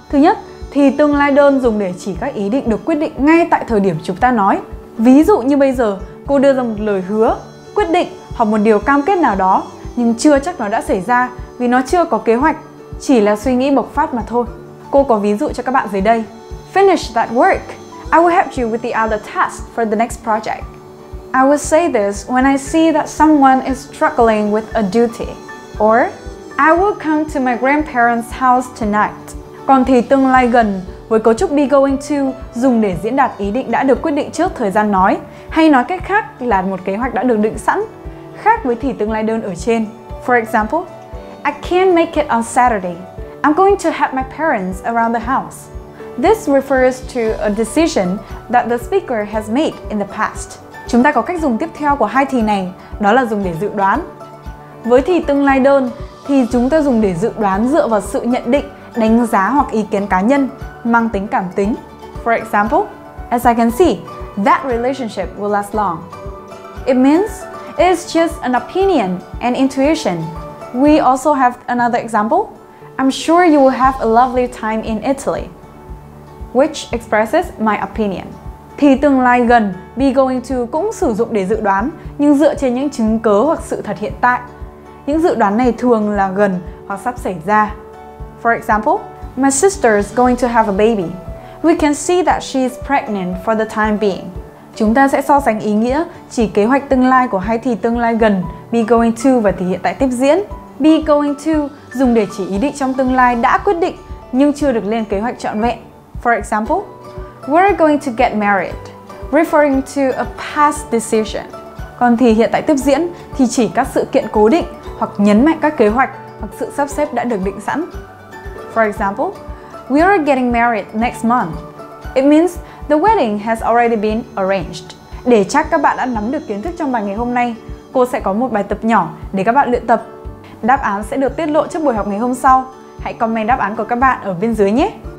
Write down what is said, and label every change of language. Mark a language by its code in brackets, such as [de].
[vi] Thứ nhất, thì tương lai đơn dùng để chỉ các ý định được quyết định ngay tại thời điểm chúng ta nói. Ví dụ như bây giờ, cô đưa ra một lời hứa, quyết định hoặc một điều cam kết nào đó, nhưng chưa chắc nó đã xảy ra vì nó chưa có kế hoạch, chỉ là suy nghĩ bộc phát mà thôi. Cô có ví dụ cho các bạn dưới đây. [en] Finish that work. I will help you with the other task for the next project. I will say this when I see that someone is struggling with a duty. Or, I will come to my grandparents' house tonight. [vi] Còn thì tương lai gần với cấu trúc be going to dùng để diễn đạt ý định đã được quyết định trước thời gian nói, hay nói cách khác là một kế hoạch đã được định sẵn, khác với thì tương lai đơn ở trên. [en] For example, I can't make it on Saturday. I'm going to have my parents around the house. This refers to a decision that the speaker has made in the past. [vi] Chúng ta có cách dùng tiếp theo của hai thì này, đó là dùng để dự đoán. Với thì tương lai đơn thì chúng ta dùng để dự đoán dựa vào sự nhận định, đánh giá hoặc ý kiến cá nhân, mang tính cảm tính. [en] For example, as I can see, that relationship will last long. It means it's just an opinion and intuition. We also have another example. I'm sure you will have a lovely time in Italy, which expresses my opinion. [vi] Thì tương lai gần, be going to cũng sử dụng để dự đoán, nhưng dựa trên những chứng cớ hoặc sự thật hiện tại. Những dự đoán này thường là gần hoặc sắp xảy ra. [en] For example, my sister is going to have a baby. We can see that she is pregnant for the time being. [vi] Chúng ta sẽ so sánh ý nghĩa chỉ kế hoạch tương lai của hai thì tương lai gần, be going to và thì hiện tại tiếp diễn. Be going to dùng để chỉ ý định trong tương lai đã quyết định nhưng chưa được lên kế hoạch trọn vẹn. [en] For example, we're going to get married, referring to a past decision. [vi] Còn thì hiện tại tiếp diễn thì chỉ các sự kiện cố định hoặc nhấn mạnh các kế hoạch hoặc sự sắp xếp đã được định sẵn. [en] For example, we are getting married next month. It means the wedding has already been arranged. [vi] Để chắc các bạn đã nắm được kiến thức trong bài ngày hôm nay, cô sẽ có một bài tập nhỏ để các bạn luyện tập. Đáp án sẽ được tiết lộ trước buổi học ngày hôm sau. Hãy comment đáp án của các bạn ở bên dưới nhé!